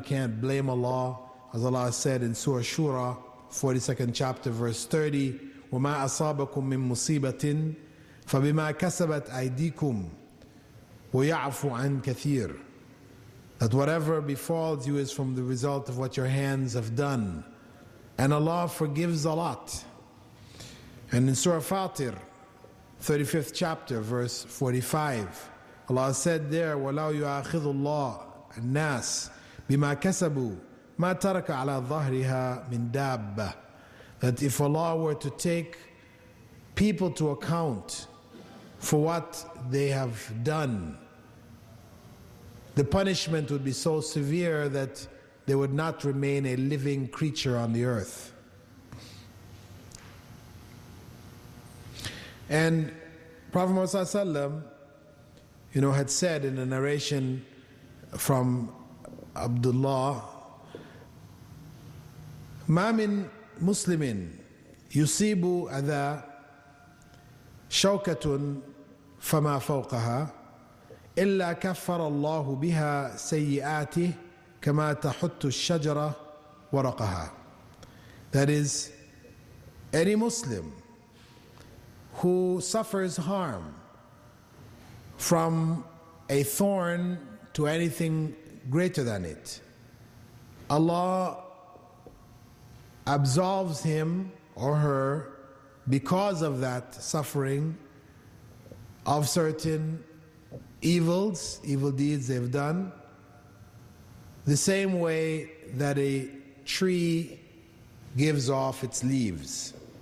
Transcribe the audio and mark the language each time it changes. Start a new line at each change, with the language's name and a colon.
English: We can't blame Allah, as Allah said in Surah Shura, 42nd chapter, verse 30,
Arabic: وَمَا أَصَابَكُم مِّن مُصِيبَةٍ فَبِمَا كَسَبَتْ أَيْدِيكُمْ وَيَعْفُ عَنْ كَثِيرٍ.
English: That whatever befalls you is from the result of what your hands have done. And Allah forgives a lot. And in Surah Fatir, 35th chapter, verse 45, Allah said there,
Arabic: وَلَوْ يُعَخِذُ اللَّهُ النَّاسِ بِمَا كَسَبُوا مَا تَرَكَ عَلَى ظَهْرِهَا مِنْ دَابَّ.
English: That if Allah were to take people to account for what they have done, the punishment would be so severe that there would not remain a living creature on the earth. And Prophet Muhammad ﷺ, you know, had said in a narration from Abdullah,
Arabic: مَا مِن مُسْلِمٍ يُصِيبُ أَذَا شَوْكَةٌ فَمَا فَوْقَهَا إلا كفر الله بها سيئاته كما تحط الشجرة ورقها.
English: That is, any Muslim who suffers harm from a thorn to anything greater than it, Allah absolves him or her because of that suffering of certain evils, evil deeds they've done, the same way that a tree gives off its leaves.